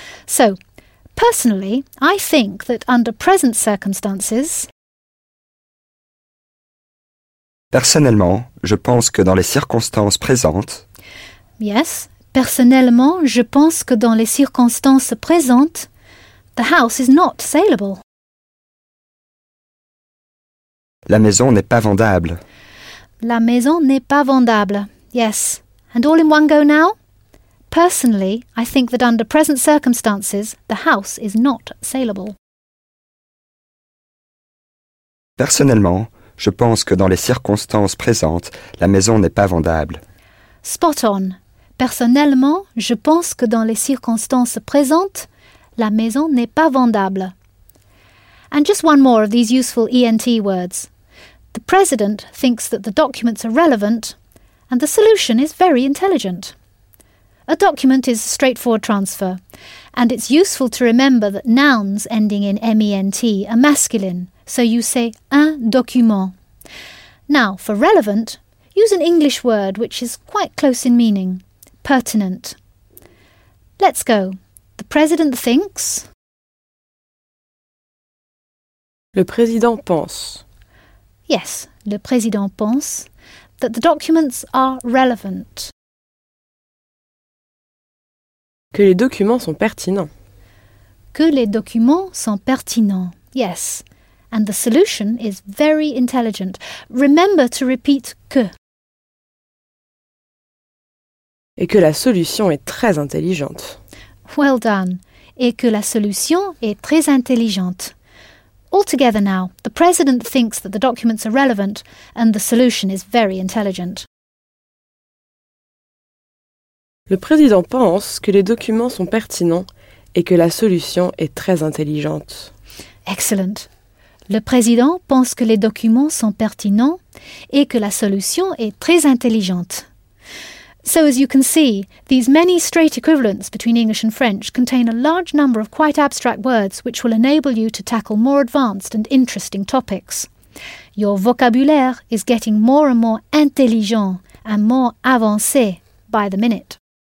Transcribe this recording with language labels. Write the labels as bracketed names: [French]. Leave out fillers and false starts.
[English] So, personally, I think that under present circumstances... [French] Personnellement, je pense que dans les circonstances présentes... Yes, personnellement, je pense que dans les circonstances présentes, [English] the house is not saleable. [French] La maison n'est pas vendable. La maison n'est pas vendable. [English] Yes. And all in one go now? Personally, I think that under present circumstances, the house is not saleable. [French] Personnellement, je pense que dans les circonstances présentes, la maison n'est pas vendable. [English] Spot on. [French] Personnellement, je pense que dans les circonstances présentes, la maison n'est pas vendable. [English] And just one more of these useful ENT words. The president thinks that the documents are relevant and the solution is very intelligent. A document is a straightforward transfer, and it's useful to remember that nouns ending in ment are masculine, so you say un document. Now, for relevant, use an English word which is quite close in meaning, pertinent. Let's go. The president thinks... [French] Le président pense... [English] Yes, [French] le président pense [English] that the documents are relevant. [French] Que les documents sont pertinents. Que les documents sont pertinents, yes. [English] And the solution is very intelligent. Remember to repeat que. [French] Et que la solution est très intelligente. [English] Well done. [French] Et que la solution est très intelligente. [English] Altogether now, the president thinks that the documents are relevant and the solution is very intelligent. [French] Le président pense que les documents sont pertinents et que la solution est très intelligente. [English] Excellent. [French] Le président pense que les documents sont pertinents et que la solution est très intelligente. [English] So as you can see, these many straight equivalents between English and French contain a large number of quite abstract words which will enable you to tackle more advanced and interesting topics. Your vocabulaire is getting more and more intelligent and more avancé by the minute.